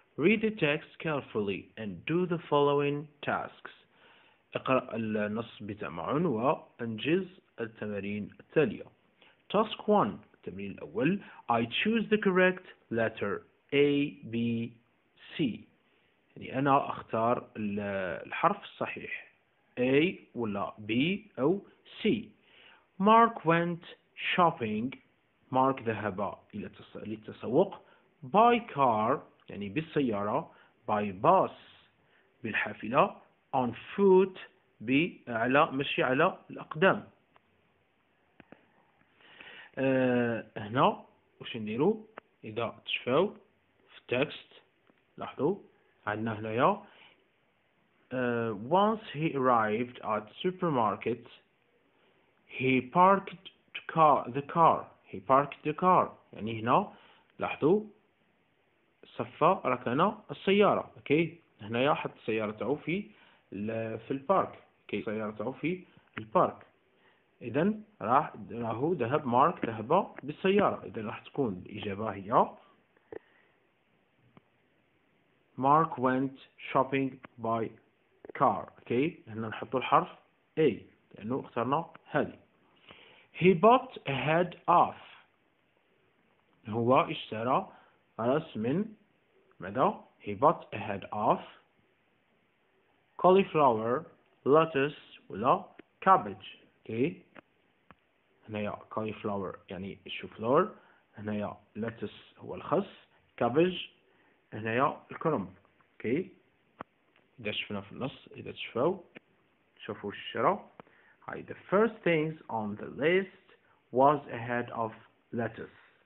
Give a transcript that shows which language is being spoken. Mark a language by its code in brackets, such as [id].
[en] Read the text carefully and do the following tasks. [ar] اقرأ النص بتمعن وأنجز التمارين التالية. [en] Task 1 [ar] التمرين الأول. [en] I choose the correct letter A, B, C. [ar] يعني أنا أختار الحرف الصحيح A ولا B أو C. [en] Mark went shopping. [ar] Mark ذهب إلى للتسوق. [en] By car [ar] يعني بالسيارة. [en] By bus [ar] بالحافلة. On foot على مشي على الأقدام. هنا وش نديرو؟ إذا تشفوا في التكست لاحظوا عندنا هنايا. [en] Once he arrived at supermarket, he parked the car. [ar] يعني هنا لاحظوا صفى ركن السيارة. اوكي هنايا حط السيارة تاعو في البارك. اوكي السيارة تاعو في البارك. اذا راهو ذهب مارك ذهب بالسيارة. اذا راح تكون الإجابة هي [en] Mark went shopping by car. [ar] Okay, هنا نحط الحرف A لأنه اخترنا هذه. [en] He bought a head off. [ar] هو اشترى رأس من ماذا؟ [en] He bought a head off. Cauliflower, lettuce ولا cabbage. [ar] Okay, هنا يا cauliflower يعني الشوفلور. هنا يا lettuce هو الخس. Cabbage هنا يا الكرنب. اوكي اذا شفنا في النص اذا تشوفوا شوفوا الشراء. [en] هاي the first things on the list was a head of lettuce.